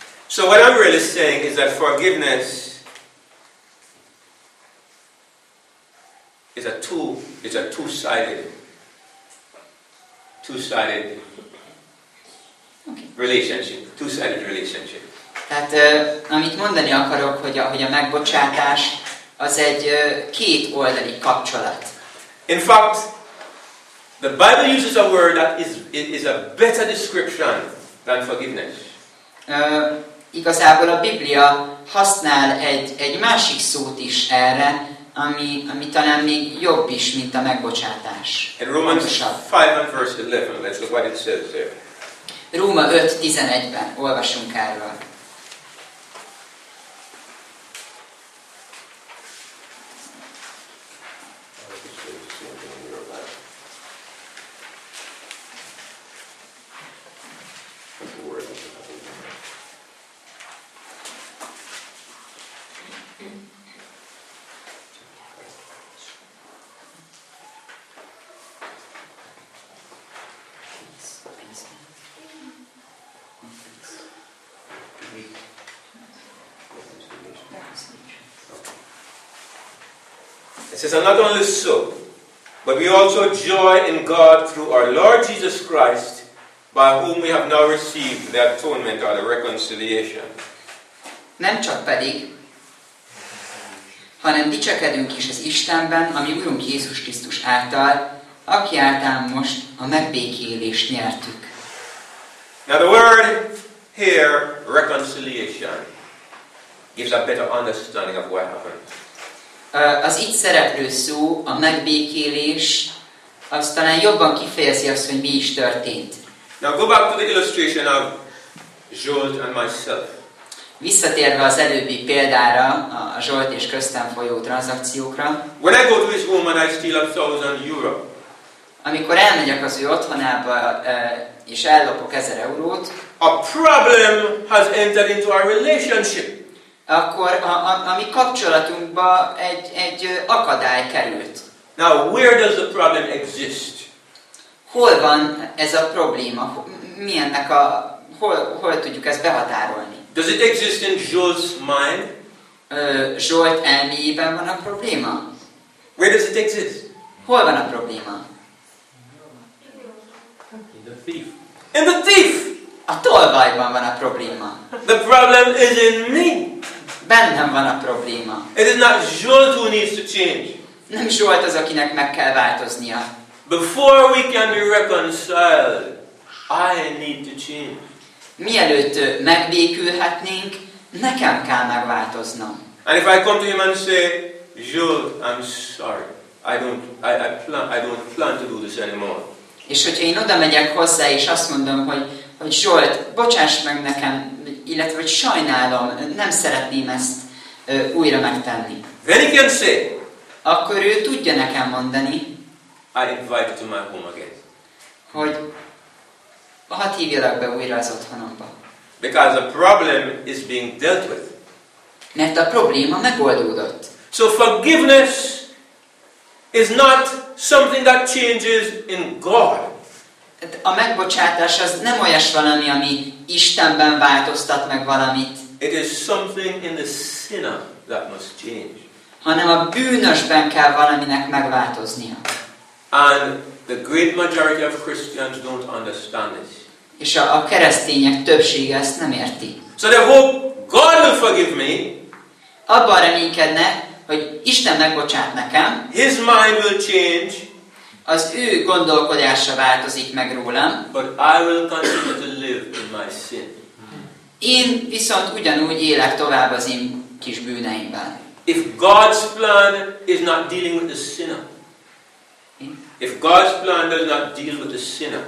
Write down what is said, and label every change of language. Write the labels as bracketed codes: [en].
[en] So what I'm really saying is that forgiveness is a two-sided relationship. [hu] Tehát amit mondani akarok, hogy a megbocsátás az egy két oldali kapcsolat. [en] In fact, The Bible uses a word that is a better description than forgiveness. [hu] Igazából a Biblia használ egy másik szót is erre, ami talán még jobb is, mint a megbocsátás. [en] In Romans 5 and verse 11, let's look what it says there. [hu] Róma 5:11-ben olvasunk erről. [en] It says, and not only so, but we also joy in God through our Lord Jesus Christ, by whom we have now received the atonement or the reconciliation. [hu] Nem csak pedig, hanem dicsekedünk is az Istenben, ami Urunk Jézus Krisztus által, aki által most a megbékélést nyertük. [en] Now the word here, reconciliation, gives a better understanding of what happened. [hu] Az itt szereplő szó, a megbékélés, az talán jobban kifejezi azt, hogy mi is történt. [en] Now go back to the illustration of Zsolt and myself. [hu] Visszatérve az előbbi példára, a Zsolt és köztem folyó tranzakciókra. [en] When I go to his home and I steal 1,000 euro. [hu] Amikor elmegyek az ő otthonába, és ellopok 1,000 eurót. [en] A problem has entered into our relationship. [hu] Akkor a mi kapcsolatunkba egy akadály került. [en] Now, where does the problem exist? [hu] Hol van ez a probléma? Milyennek a hol tudjuk ezt behatárolni? [en] Does it exist in Joel's mind? [hu] Zsolt elméjében van a probléma? [en] Where does it exist? [hu] Hol van a probléma? [en] In the thief! [hu] A tolvajban van a probléma. [en] The problem is in me. [hu] Bennem van a probléma. [en] It is not Zsolt who needs to change. [hu] Nem Zsolt az, akinek meg kell változnia. [en] Before we can be reconciled, I need to change. [hu] Mielőtt megbékülhetnénk, nekem kell megváltoznom. [en] And if I come to him and say, Zsolt, I'm sorry. I don't plan to do this anymore. [hu] És hogyha én oda megyek hozzá, és azt mondom, hogy Zsolt, bocsáss meg nekem, illetve hogy sajnálom, nem szeretném ezt újra megtenni. [en] Then he can say, [hu] akkor ő tudja nekem mondani, [en] I invite you to my home again. [hu] Hogy hadd hívjalak be újra az otthonomba. [en] Because a problem is being dealt with. [hu] Mert a probléma megoldódott. [en] So forgiveness is not something that changes in God. [hu] A megbocsátás az nem olyas valami, ami Istenben változtat meg valamit. [en] It is something in the sinner that must change. [hu] Hanem a bűnösben kell valaminek megváltoznia. [en] And the great majority of Christians don't understand this. [hu] És a keresztények többsége ezt nem érti. [en] So they hope God will forgive me. [hu] Abban reménykedne, hogy Isten megbocsát nekem. [en] His mind will change. [hu] Az ő gondolkodása változik meg rólam. [en] But I will continue to live in my sin. [hu] Én viszont ugyanúgy élek tovább az én kis bűneimben. [en] If God's plan is not dealing with the sinner. If God's plan does not deal with the sinner.